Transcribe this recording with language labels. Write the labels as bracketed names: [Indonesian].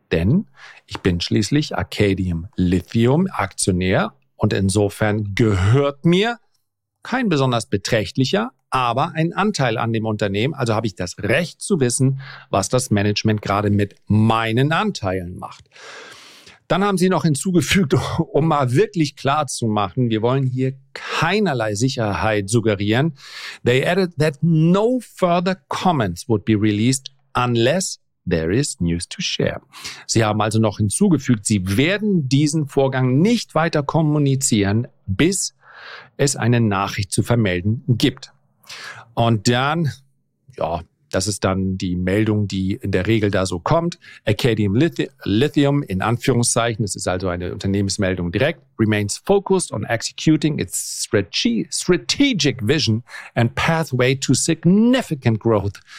[German] Denn ich bin schließlich Arcadium Lithium Aktionär und insofern gehört mir kein besonders beträchtlicher, aber ein Anteil an dem Unternehmen. Also habe ich das Recht zu wissen, was das Management gerade mit meinen Anteilen macht. Dann haben sie noch hinzugefügt, um mal wirklich klar zu machen, wir wollen hier keinerlei Sicherheit suggerieren. [English] They added that no further comments would be released unless there is news to share. [German] Sie haben also noch hinzugefügt, sie werden diesen Vorgang nicht weiter kommunizieren, bis es eine Nachricht zu vermelden gibt. Und dann, ja, das ist dann die Meldung, die in der Regel da so kommt. [English] Arcadium Lithium, [German] in Anführungszeichen, das ist also eine Unternehmensmeldung direkt, [English] remains focused on executing its strategic vision and pathway to significant growth.